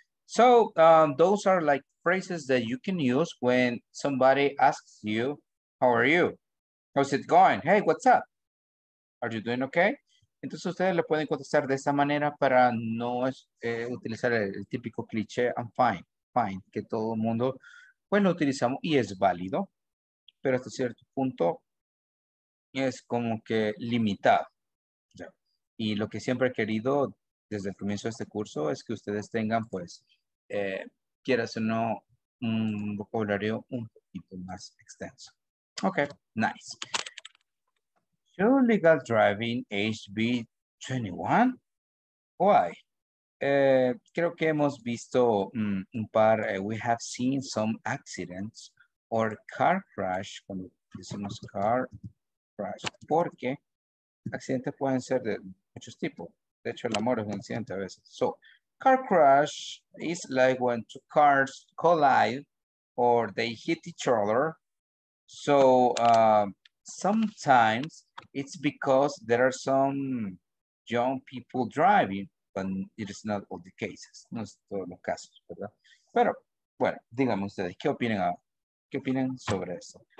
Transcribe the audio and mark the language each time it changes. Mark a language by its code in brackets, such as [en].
[en] So, those are like phrases that you can use when somebody asks you, how are you? How's it going? Hey, what's up? Are you doing okay? [es] Entonces, ustedes le pueden contestar de esa manera para no utilizar el típico cliché, [en] I'm fine, fine, [es] que todo el mundo, pues lo utilizamos y es válido, pero hasta cierto punto es como que limitado. Yeah. Y lo que siempre he querido desde el comienzo de este curso es que ustedes tengan, pues, quieras o no, un vocabulario un poquito más extenso. Ok, nice. [en] Should legal driving age be 21? Why? [es] Creo que hemos visto un par, [en] we have seen some accidents or car crash, [es] cuando decimos car crash, porque accidentes pueden ser de muchos tipos. De hecho, el amor es un accidente a veces. [en] So, car crash is like when two cars collide or they hit each other. So, sometimes it's because there are some young people driving, but it is not all the cases. [es] No es todos los casos, ¿verdad? Pero, bueno, díganme ustedes, ¿qué opinan sobre eso?